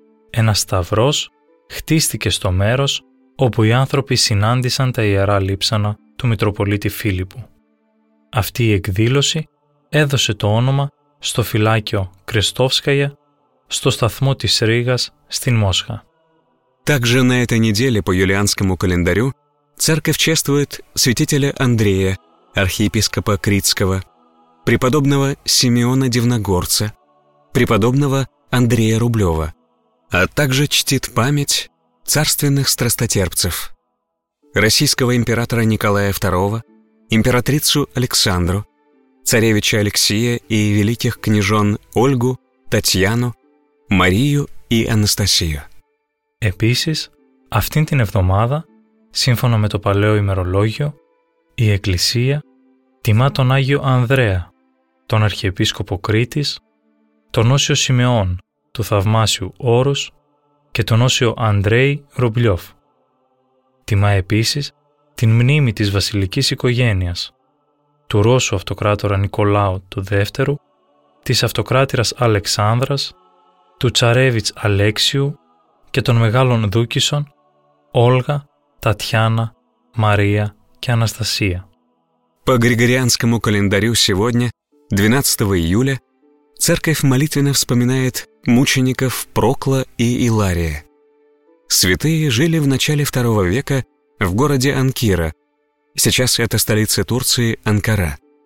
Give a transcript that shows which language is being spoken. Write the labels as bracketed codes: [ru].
[el] Ένας σταυρός χτίστηκε στο μέρος όπου οι άνθρωποι συνάντησαν τα ιερά λείψανα του Μητροπολίτη Φίλιππου. Αυτή η εκδήλωση έδωσε το όνομα στο φυλάκιο Κρεστόφσκαγια, στο σταθμό της Ρήγας, στην Μόσχα. [ru] Также на этой неделе по юлианскому календарю церковь чествует святителя Андрея, архиепископа Критского, преподобного Симеона Дивногорца, преподобного Андрея Рублева, а также чтит память царственных страстотерпцев, российского императора Николая II, императрицу Александру, царевича Алексея и великих княжон Ольгу, Татьяну, Марию и Анастасию. [el] Επίσης, αυτήν την εβδομάδα, σύμφωνα με το παλαιό ημερολόγιο, η Εκκλησία τιμά τον Άγιο Ανδρέα, τον Αρχιεπίσκοπο Κρήτης, τον Όσιο Σιμεών του Θαυμάσιου Όρους και τον Όσιο Ανδρέη Ρουμπλιόφ. Τιμά επίσης την μνήμη της βασιλικής οικογένειας, του Ρώσου Αυτοκράτορα Νικολάου του Δεύτερου, της Αυτοκράτηρας Αλεξάνδρας, του Τσαρέβιτς Αλέξιου και των Μεγάλων Δούκισων Όλγα, Τατιάνα, Μαρία και Αναστασία. [ru] По Григорианскому календарю сегодня, 12 июля, церковь молитвенно вспоминает мучеников Прокла и Илария. Святые жили в начале II века в городе Анкира, сейчас это столица Турции Анкара.